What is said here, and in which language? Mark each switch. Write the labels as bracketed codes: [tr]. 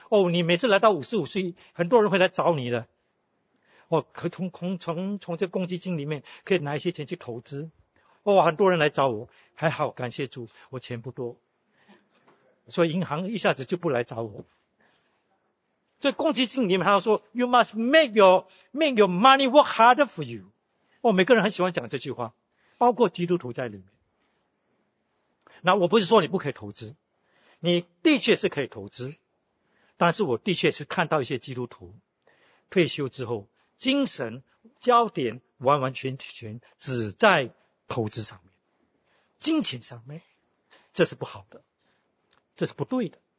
[zh] 你每次来到55岁，很多人会来找你的。可从这个公积金里面可以拿一些钱去投资。很多人来找我，还好，感谢主，我钱不多。所以银行一下子就不来找我。这公积金里面他说 [en] ,you must make your money work harder for you。 [zh] 每个人很喜欢讲这句话，包括基督徒在里面。那我不是说你不可以投资，你的确是可以投资，但是我的确是看到一些基督徒退休之后精神焦点完完全全只在投资上面，金钱上面，这是不好的，这是不对的。